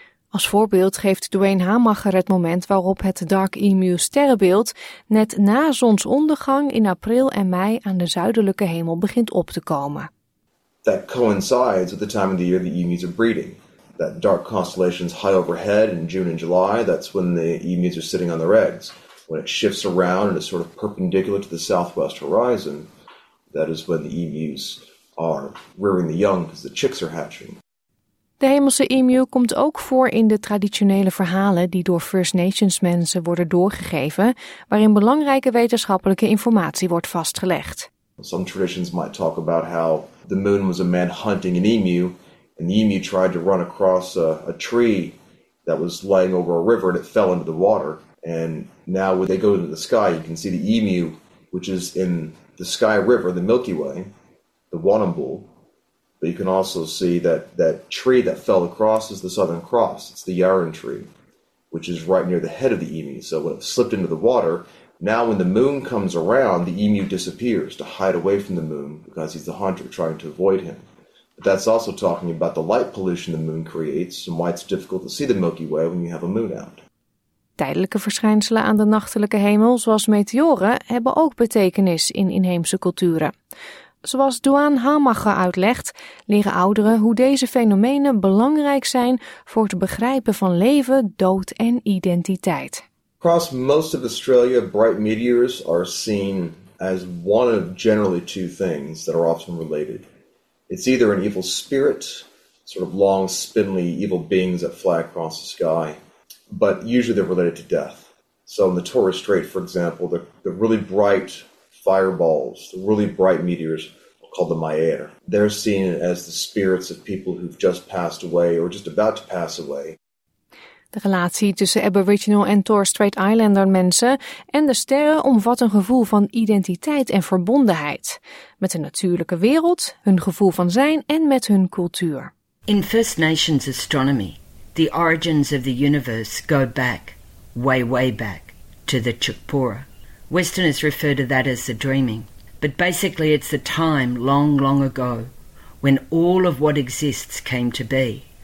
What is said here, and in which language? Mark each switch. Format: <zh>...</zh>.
<nl>Als voorbeeld geeft Dwayne Hamacher het moment waarop het Dark Emu sterrenbeeld net na zonsondergang in april en mei aan de zuidelijke hemel begint op te komen.</nl> <en>That coincides with the time of the year the emus are breeding. That dark constellation is high overhead in June and July. That's when the emus are sitting on their eggs. When it shifts around and is sort of perpendicular to the southwest horizon, that is when the emus are rearing the young because the chicks are hatching.</en> <nl>De hemelse emu komt ook voor in de traditionele verhalen die door First Nations mensen worden doorgegeven, waarin belangrijke wetenschappelijke informatie wordt vastgelegd.</nl> <en>Some traditions might talk about how the moon was a man hunting an emu, and the emu tried to run across a tree that was lying over a river and it fell into the water. And now when they go into the sky, you can see the emu, which is in the sky river, the Milky Way, the Wannumbul. But you can also see that tree that fell across is the Southern Cross. It's the Yaren tree, which is right near the head of the emu. So when it slipped into the water, now when the moon comes around, the emu disappears to hide away from the moon because he's the hunter trying to avoid him. But that's also talking about the light pollution the moon creates and why it's difficult to see the Milky Way when you have a moon out.</en> <nl>Tijdelijke verschijnselen aan de nachtelijke hemel, zoals meteoren, hebben ook betekenis in inheemse culturen. Zoals Dwayne Hamacher uitlegt, leren ouderen hoe deze fenomenen belangrijk zijn voor het begrijpen van leven, dood en identiteit.</nl> <en>Across most of Australia, bright meteors are seen as one of generally two things that are often related. It's either an evil spirit, sort of long, spindly evil beings that fly across the sky, but usually they're related to death. So in the Torres Strait, for example, the really bright fireballs, the really bright meteors called the Maiar. They're seen as the spirits of people who've just passed away or just about to pass away.</en> <nl>De relatie tussen Aboriginal en Torres Strait Islander mensen en de sterren omvat een gevoel van identiteit en verbondenheid met de natuurlijke wereld, hun gevoel van zijn en met hun cultuur.</nl> <en>In First Nations astronomy, the origins of the universe go back, way, way back, to the Chukpura. Westerners refer to that as the dreaming, but basically it's the time long, long ago when all of what exists came to be.</en>